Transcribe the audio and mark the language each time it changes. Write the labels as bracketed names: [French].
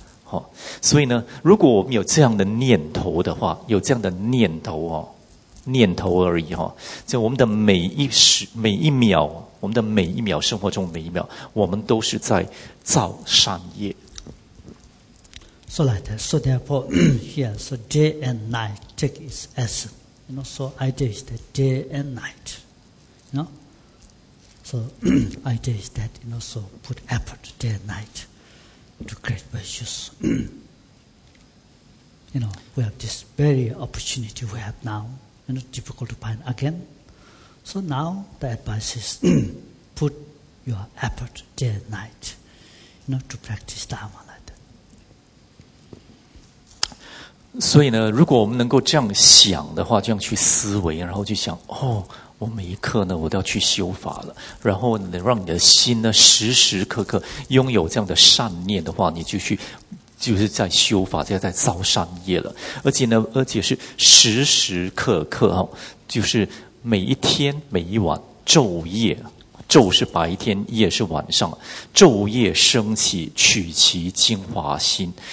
[Chinese] 好，所以呢，如果我们有这样的念头的话，有这样的念头哦。念头而已哈，就我们的每一时、每一秒，我们的每一秒生活中每一秒，我们都是在造善业。 [English] So like that. So therefore, here, so day and night take its essence. You know, so idea is that day and night. You know, so idea is that you know, so put effort day and night to create virtues. You know, we have this very opportunity we have now. And it's difficult to find again. So now the advice is put your effort day and night, you know, to practice Dharma like that. [Chinese] 所以呢，如果我们能够这样想的话，这样去思维，然后就想哦，我每一刻呢，我都要去修法了。然后呢，让你的心呢，时时刻刻拥有这样的善念的话，你就去。就是在修法，就是在造善业了。而且呢，而且是时时刻刻哈，就是每一天每一晚昼夜，昼是白天，夜是晚上，昼夜升起取其精华心。